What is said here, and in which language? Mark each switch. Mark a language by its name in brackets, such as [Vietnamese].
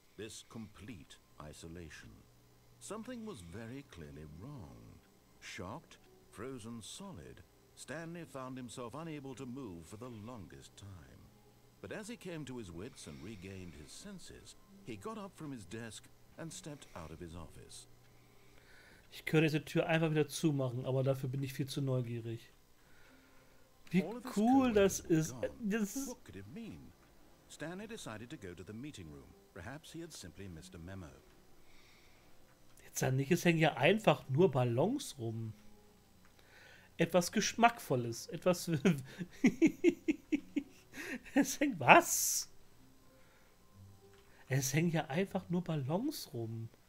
[English] This complete isolation. Something was very clearly wrong. Shocked, frozen solid, Stanley found himself unable to move for the longest time. But as he came to his wits and regained his senses, he got up from his desk and stepped out of his office. [German] Ich könnte diese Tür einfach wieder zumachen, aber dafür bin ich viel zu neugierig. Wie cool das ist. Das ist. [English] What could it mean? Stanley decided to go to the meeting room. Perhaps he had simply missed a memo. [German] Jetzt sag nicht, es hängen ja einfach nur Ballons rum. Etwas Geschmackvolles. Etwas. Es hängt. Was? Es hängen ja einfach nur Ballons rum.